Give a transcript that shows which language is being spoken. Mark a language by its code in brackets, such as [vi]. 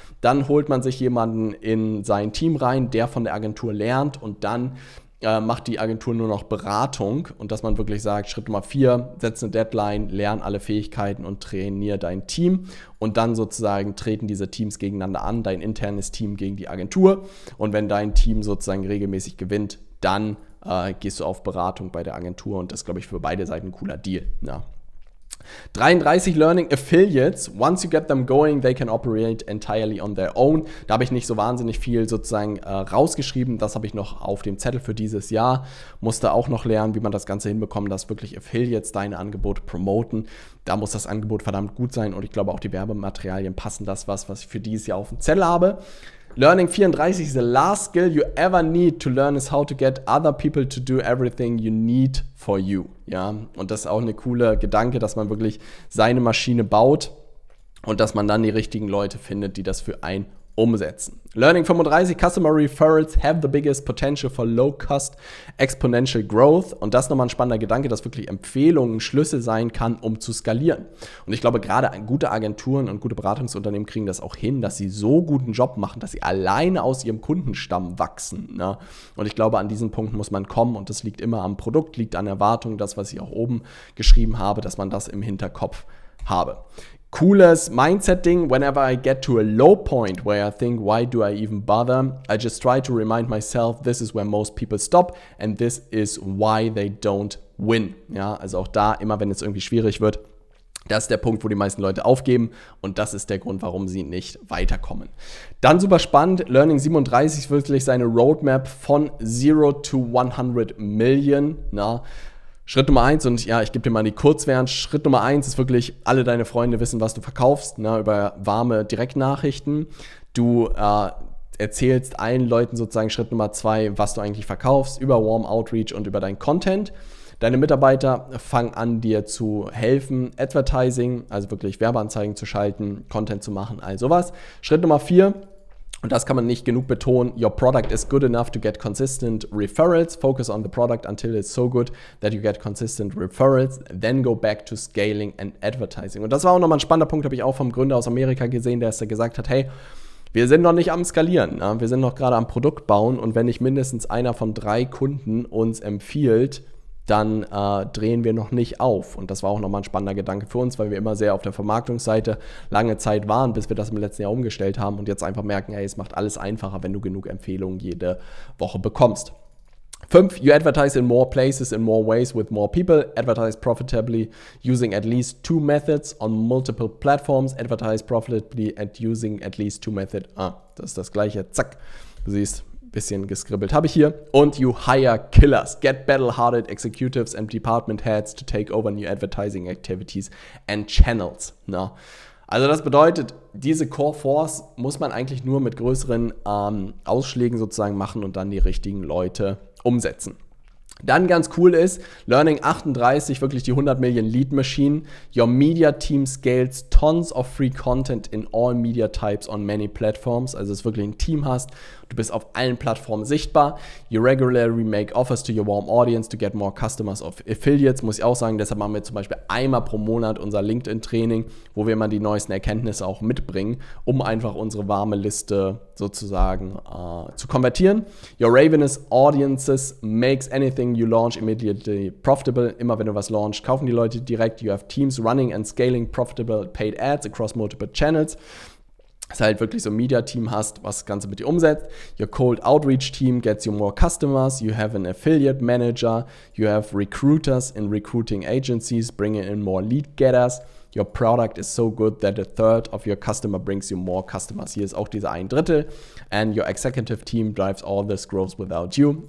[de] dann holt man sich jemanden in sein Team rein, der von der Agentur lernt und dann macht die Agentur nur noch Beratung und dass man wirklich sagt, Schritt Nummer 4, setz eine Deadline, lern alle Fähigkeiten und trainiere dein Team und dann sozusagen treten diese Teams gegeneinander an, dein internes Team gegen die Agentur und wenn dein Team sozusagen regelmäßig gewinnt, dann gehst du auf Beratung bei der Agentur und das ist, glaube ich, für beide Seiten ein cooler Deal. Ja. [en] 33 Learning Affiliates, once you get them going, they can operate entirely on their own. [de] Da habe ich nicht so wahnsinnig viel sozusagen rausgeschrieben, das habe ich noch auf dem Zettel für dieses Jahr. Musste auch noch lernen, wie man das Ganze hinbekommt, dass wirklich Affiliates deine Angebote promoten. Da muss das Angebot verdammt gut sein und ich glaube auch die Werbematerialien passen das, was ich für dieses Jahr auf dem Zettel habe. [en] Learning 34, the last skill you ever need to learn is how to get other people to do everything you need for you. [de] Ja, und das ist auch eine coole Gedanke, dass man wirklich seine Maschine baut und dass man dann die richtigen Leute findet, die das für einen umsetzen. [en] Learning 35, Customer Referrals have the biggest potential for low-cost exponential growth. [de] Und das ist nochmal ein spannender Gedanke, dass wirklich Empfehlungen Schlüssel sein kann, um zu skalieren. Und ich glaube, gerade gute Agenturen und gute Beratungsunternehmen kriegen das auch hin, dass sie so guten Job machen, dass sie alleine aus ihrem Kundenstamm wachsen. Ne? Und ich glaube, an diesen Punkt muss man kommen und das liegt immer am Produkt, liegt an Erwartungen, das, was ich auch oben geschrieben habe, dass man das im Hinterkopf habe. Cooles Mindset-Ding, [en] whenever I get to a low point where I think, why do I even bother, I just try to remind myself, this is where most people stop and this is why they don't win. [de] Ja, also auch da, immer wenn es irgendwie schwierig wird, das ist der Punkt, wo die meisten Leute aufgeben und das ist der Grund, warum sie nicht weiterkommen. Dann super spannend, Learning 37 ist wirklich seine Roadmap von 0 to 100 Million, na, Schritt Nummer 1 und ja, ich gebe dir mal die Kurzversion. Schritt Nummer 1 ist wirklich, alle deine Freunde wissen, was du verkaufst, ne, über warme Direktnachrichten. Du erzählst allen Leuten sozusagen Schritt Nummer 2, was du eigentlich verkaufst, über Warm Outreach und über dein Content. Deine Mitarbeiter fangen an, dir zu helfen, Advertising, also wirklich Werbeanzeigen zu schalten, Content zu machen, all sowas. Schritt Nummer 4. Und das kann man nicht genug betonen. [en] Your product is good enough to get consistent referrals. Focus on the product until it's so good that you get consistent referrals. Then go back to scaling and advertising. [de] Und das war auch nochmal ein spannender Punkt, habe ich auch vom Gründer aus Amerika gesehen, der es da gesagt hat, hey, wir sind noch nicht am Skalieren. Ne? Wir sind noch gerade am Produkt bauen. Und wenn nicht mindestens einer von 3 Kunden uns empfiehlt, dann drehen wir noch nicht auf. Und das war auch nochmal ein spannender Gedanke für uns, weil wir immer sehr auf der Vermarktungsseite lange Zeit waren, bis wir das im letzten Jahr umgestellt haben und jetzt einfach merken, hey, es macht alles einfacher, wenn du genug Empfehlungen jede Woche bekommst. 5. [en] You advertise in more places, in more ways, with more people. Advertise profitably using at least 2 methods on multiple platforms. Advertise profitably and using at least 2 methods. [de] Ah, das ist das Gleiche. [en] Zack, du siehst. Bisschen gescribbelt habe ich hier. Und you hire killers. Get battle-hearted executives and department heads to take over new advertising activities and channels. Na, [de] Also das bedeutet, diese Core Force muss man eigentlich nur mit größeren Ausschlägen sozusagen machen und dann die richtigen Leute umsetzen. Dann ganz cool ist, Learning 38, wirklich die 100 Millionen Lead Machine. [en] Your media team scales tons of free content in all media types on many platforms. [de] Also es wirklich ein Team hast, du bist auf allen Plattformen sichtbar. [en] You regularly make offers to your warm audience to get more customers of affiliates. [de] Muss ich auch sagen, deshalb machen wir zum Beispiel einmal pro Monat unser LinkedIn-Training, wo wir immer die neuesten Erkenntnisse auch mitbringen, um einfach unsere warme Liste sozusagen zu konvertieren. [en] Your ravenous audiences makes anything you launch immediately profitable. [de] Immer wenn du was launchst, kaufen die Leute direkt. [en] You have teams running and scaling profitable paid ads across multiple channels. [de] Dass du halt wirklich so ein Media-Team hast, was das Ganze mit dir umsetzt. [en] Your cold outreach team gets you more customers. You have an affiliate manager. You have recruiters in recruiting agencies bringing in more lead getters. Your product is so good that a third of your customer brings you more customers. [de] Hier ist auch dieser ein Drittel. [en] And your executive team drives all this growth without you.